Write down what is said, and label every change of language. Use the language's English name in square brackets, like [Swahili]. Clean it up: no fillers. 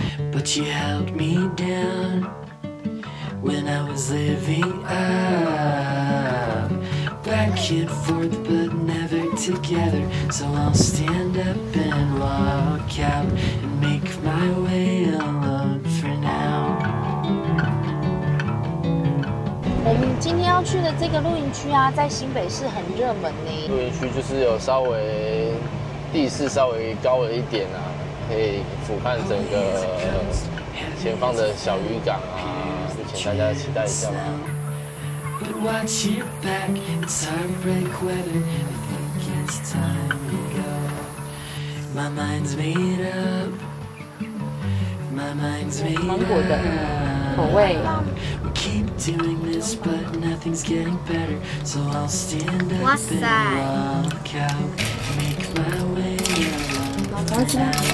[English] But you held me down, when I was living out. Back and forth, but never together, so I'll stand up and walk out, and make my way alone for now. [Chinese] 我们今天要去的这个露营区啊，在新北市很热门呢。露营区就是有稍微地势稍微高了一点啊，可以俯瞰整个前方的小渔港啊，就请大家期待一下吧。 [English] But watch your back, it's heartbreak weather, I think it's time to go. My mind's made up, my mind's made up. We keep doing this, but nothing's getting better. So I'll stand up and walk out, make my way alone.